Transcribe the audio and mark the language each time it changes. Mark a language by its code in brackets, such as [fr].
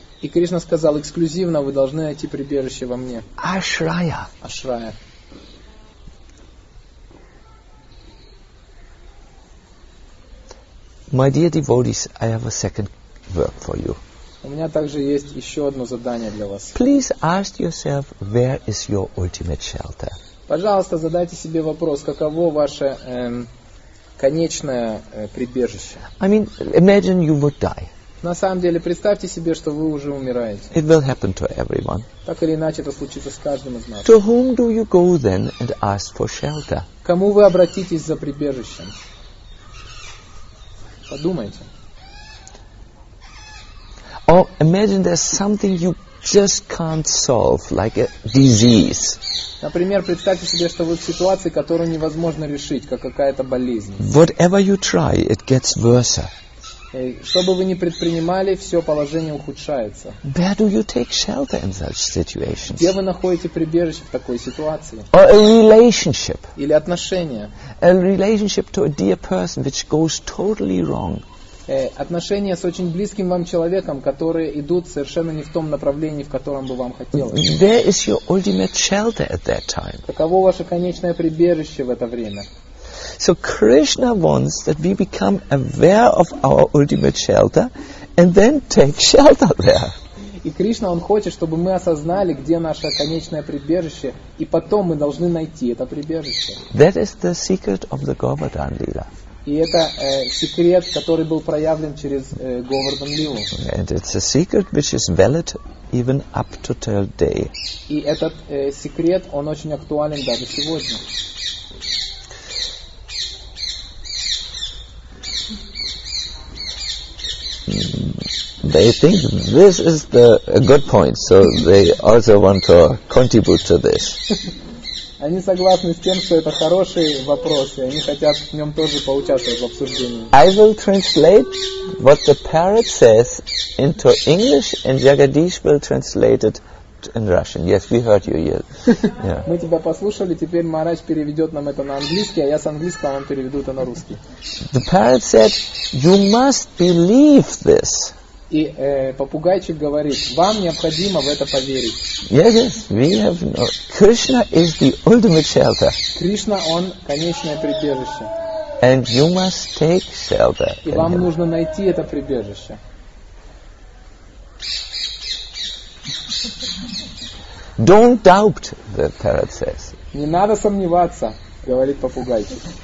[ru] И Кришна сказал, эксклюзивно вы должны найти прибежище во мне. Ашрая. Ашрая. [en] My dear devotees, I have a second work for you. [ru] У меня также есть еще одно задание для вас. [en] Please ask yourself, where is your ultimate shelter? [ru] Пожалуйста, задайте себе вопрос, каково ваше конечное прибежище? [en] I mean, imagine you would die. [ru] На самом деле, представьте себе, что вы уже умираете. [en] It will happen to everyone. [ru] Так или иначе, это случится с каждым из нас. [en] To whom do you go then and ask for shelter? [ru] Кому вы обратитесь за прибежищем? Подумайте. [en] Or imagine there's something you just can't solve, like a disease. [ru] Например, представьте себе, что вы в ситуации, которую невозможно решить, как какая-то болезнь. [en] Whatever you try, it gets worse. [ru] Что бы вы ни предпринимали, все положение ухудшается. [en] Where do you take shelter in such situations? [ru] Где вы находите прибежище в такой ситуации? [en] Or a relationship. [ru] Или отношения. [en] A relationship to a dear person which goes totally wrong. [ru] отношения с очень близким вам человеком, которые идут совершенно не в том направлении, в котором бы вам хотелось. [en] Where is your ultimate shelter at that time? [ru] Каково ваше конечное прибежище в это время? [en] So Krishna wants that we become aware of our ultimate shelter and then take shelter there. [ru] И Кришна, он хочет, чтобы мы осознали, где наше конечное прибежище, и потом мы должны найти это прибежище. [en] That is the secret of the Govardhan Lila. [ru] И это секрет, который был проявлен через Говардхан Лилу. [en] And it's a secret which is valid even up to today. [ru] И этот секрет, он очень актуален даже сегодня. [en] They think this is the a good point, so they also want to contribute to this. [ru] Они согласны с тем, что это хороший вопрос, и они хотят в нем тоже поучаствовать в обсуждении. [en] I will translate what the parrot says into English, and Jagadish will translate it in Russian. Yes, we heard you. Yes. Yeah. [ru] Мы тебя послушали, теперь Марадж переведет нам это на английский, а я с английского вам переведу это на русский. [en] The parrot said, "You must believe this." [ru] И попугайчик говорит, вам необходимо в это поверить. [en] Yes, yes, we have no. Krishna is the ultimate shelter. [ru] Кришна, он конечное прибежище. [en] And you must take shelter. [ru] И вам нужно найти это прибежище. [en] Don't doubt, the parrot says. [ru] Не надо сомневаться, говорит попугайчик.